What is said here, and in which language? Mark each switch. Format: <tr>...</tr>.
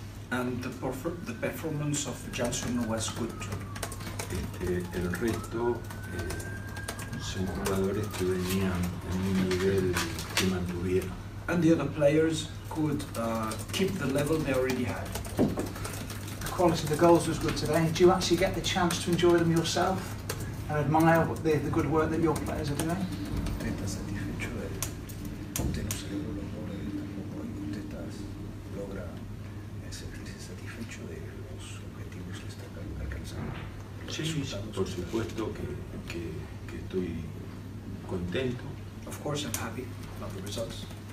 <en>And the performance of Johnson was good too.</en> <es>El resto son jugadores que venían en un nivel que mantuvieron.</es> <en>And the other players could keep the level they already had. The quality of the goals was good today. Do you actually get the chance to enjoy them yourself and admire the good work that your players are doing?</en> <es>Está satisfecho de usted no celebró los goles tampoco. Usted logra sentirse satisfecho de los objetivos que está alcanzando. Sí, por supuesto que estoy contento.</es> <en>Of course, I'm happy about the results.</en>